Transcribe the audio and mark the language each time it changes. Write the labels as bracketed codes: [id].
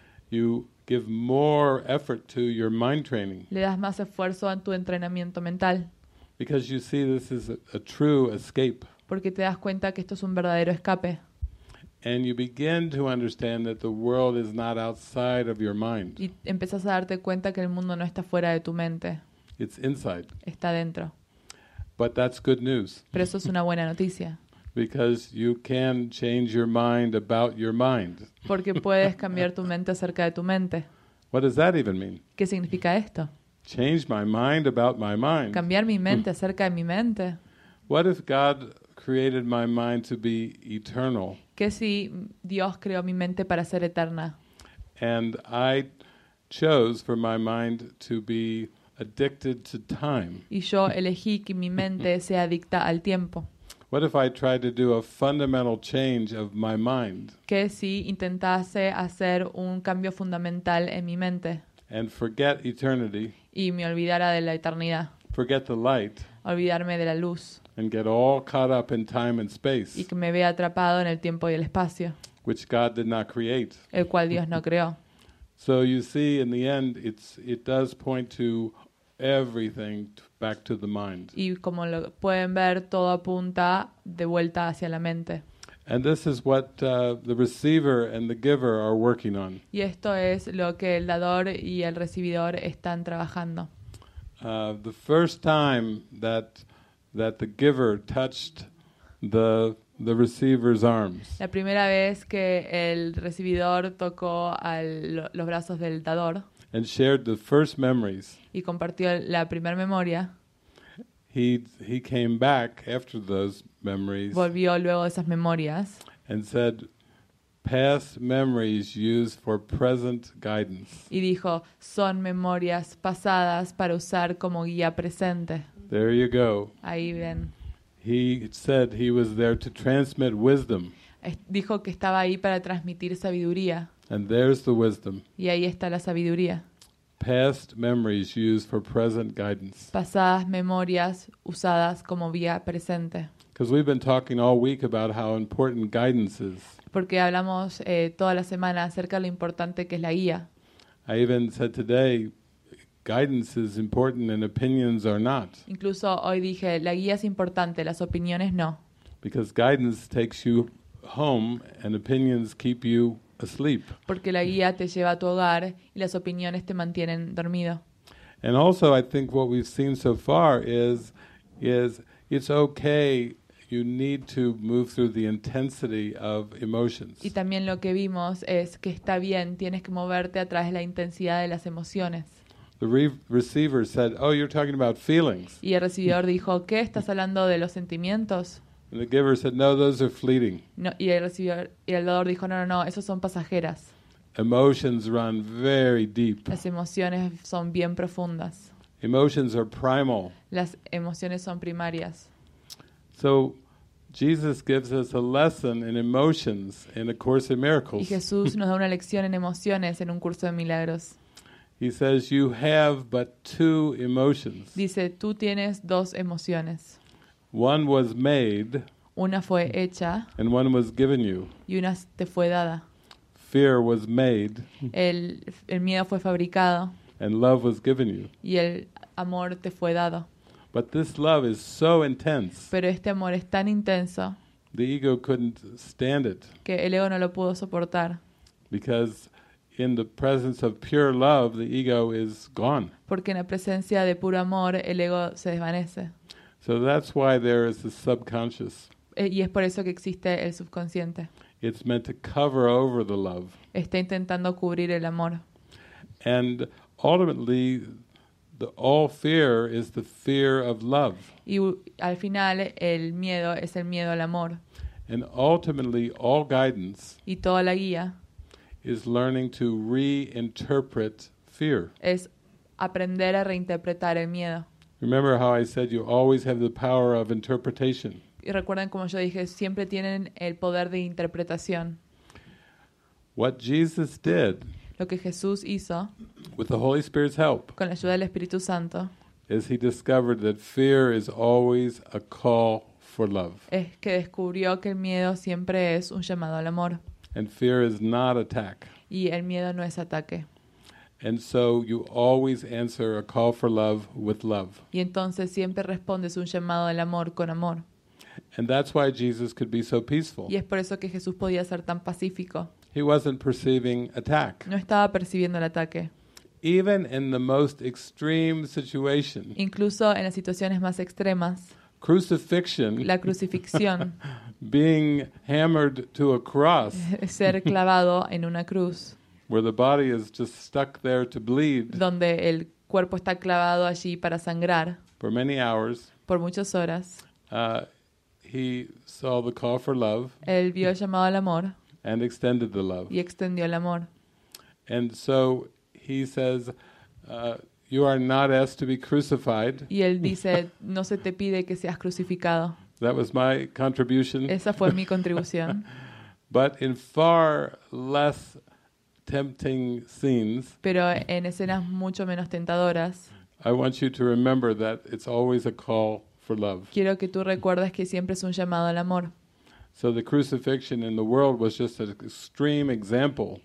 [en] You give more effort to your mind training. [es] Le das más esfuerzo a tu entrenamiento mental. [en] Because you see this is a true escape. [es] Porque te das cuenta que esto es un verdadero escape. [en] And you begin to understand that the world is not outside of your mind. [es] Y empiezas a darte cuenta que el mundo no está fuera de tu mente. [en] It's inside. [es] Está dentro. [en] But that's good news. [es] Pero eso es una buena noticia. [en] Because you can change your mind about your mind. [es] Porque puedes cambiar tu mente acerca de tu mente. [en] What does that even mean? [es] ¿Qué significa esto? [en] Change my mind about my mind. [es] Cambiar mi mente acerca de mi mente. [en] What if God created my mind to be eternal? [es] ¿Qué si Dios creó mi mente para ser eterna? [en] And I chose for my mind to be addicted to time. [es] Y yo elegí que mi mente sea adicta al tiempo. [en] What if I tried to do a fundamental change of my mind? [es] ¿Qué si intentase hacer un cambio fundamental en mi mente? [en] And forget eternity. [es] Y me olvidara de la eternidad. [en] Forget the light. [es] Olvidarme de la luz. [en] And get all caught up in time and space. [es] Y que me vea atrapado en el tiempo y el espacio. [en] Which God did not create. [es] El cual Dios no creó. [en] So you see, in the end, it does point to everything back to the mind. [es] Y como lo pueden ver, todo apunta de vuelta hacia la mente. [en] And this is what the receiver and the giver are working on. [es] Y esto es lo que el dador y el recibidor están trabajando. [en] The first time that the giver touched the receiver's arms. [es] La primera vez que el recibidor tocó los brazos del dador. [en] And shared the first memories. [es] Y compartió la primera memoria. [en] He came back after those memories. [es] Volvió luego de esas memorias. [en] And said, past memories used for present guidance. [es] Y dijo, son memorias pasadas para usar como guía presente. [en] There you go. [es] Ahí ven. [en] He said he was there to transmit wisdom. [es] Dijo que estaba ahí para transmitir sabiduría. [en] And there's the wisdom. [es] Y ahí está la sabiduría. [en] Past memories used for present guidance. [es] Pasadas memorias usadas como guía presente. [en] Because we've been talking all week about how important guidance is. [es] Porque hablamos toda la semana acerca de lo importante que es la guía. [en] I even said today, guidance is important and opinions are not. [es] Incluso hoy dije, la guía es importante, las opiniones no. [en] Because guidance takes you home and opinions keep you asleep. [es] Porque la guía te lleva a tu hogar y las opiniones te mantienen dormido. [en] And also I think what we've seen so far is it's okay. You need to move through the intensity of emotions. [es] Y también lo que vimos es que está bien, tienes que moverte a través de la intensidad de las emociones. [en] The receiver said, "Oh, you're talking about feelings." [es] Y el recibidor dijo, "¿Qué? ¿Estás hablando de los sentimientos?" [en] And the giver said, no, those are fleeting. [es] No, y el recibidor, y el dador dijo, no, no, no, esos son pasajeras. [en] Emotions run very deep. [es] Las emociones son bien profundas. [en] Emotions are primal. [es] Las emociones son primarias. [en] So Jesus gives us a lesson in emotions in A Course in Miracles. [es] Y Jesús nos da una lección en emociones en Un Curso de Milagros. [en] He says, you have but two emotions. [es] Dice, tú tienes dos emociones. [en] One was made. [es] Una fue hecha. [en] And one was given you. [es] Y una te fue dada. [en] Fear was made. [es] El miedo fue fabricado. [en] And love was given you. [es] Y el amor te fue dado. [en] But this love is so intense. [es] Pero este amor es tan intenso. [en] The ego couldn't stand it. [es] Que el ego no lo pudo soportar. [en] Because in the presence of pure love, the ego is gone. [es] Porque en la presencia de puro amor, el ego se desvanece. [en] So that's why there is the subconscious. [es] Y es por eso que existe el subconsciente. [en] It's meant to cover over the love. [es] Está intentando cubrir el amor. [en] And ultimately, all fear is the fear of love. [es] Y al final, el miedo es el miedo al amor. [en] And ultimately, all guidance. [es] Y toda la guía. [en] Is learning to reinterpret fear. [es] Es aprender a reinterpretar el miedo. [en] Remember how I said you always have the power of interpretation. [es] Y recuerden como yo dije, siempre tienen el poder de interpretación. [en] What Jesus did. [es] Lo que Jesús hizo. [en] With the Holy Spirit's help. [es] Con la ayuda del Espíritu Santo. [en] Is he discovered that fear is always a call for love. [es] Es que descubrió que el miedo siempre es un llamado al amor. [en] And fear is not attack. [es] Y el miedo no es ataque. [en] And so you always answer a call for love with love. [es] Y entonces siempre respondes un llamado al amor con amor. [en] And that's why Jesus could be so peaceful. [es] Y es por eso que Jesús podía ser tan pacífico. [en] He wasn't perceiving attack. [es] No estaba percibiendo el ataque. [en] Even in the most extreme situation. [es] Incluso en las situaciones más extremas. [en] Crucifixion. [es] La crucifixión. [en] Being hammered to a cross. [es] Ser clavado en una cruz. [en] Where the body is just stuck there to bleed. [es] Donde el cuerpo está clavado allí para sangrar. [en] For many hours. [es] Por muchas horas. [en] He saw the call for love. [es] Él vio el llamado al amor. [en] And extended the love. [es] Y extendió el amor. [en] And so he says, you are not asked to be crucified. [es] Y él dice, no se te pide que seas crucificado. [en] That was my contribution. [es] Esa fue mi contribución. [en] But in far less tempting scenes. [es] Pero en escenas mucho menos tentadoras. [en] I want you to remember that it's always a call for love. [es] Quiero que tú recuerdes que siempre es un llamado al amor. [en] So the crucifixion in the world was just an extreme example.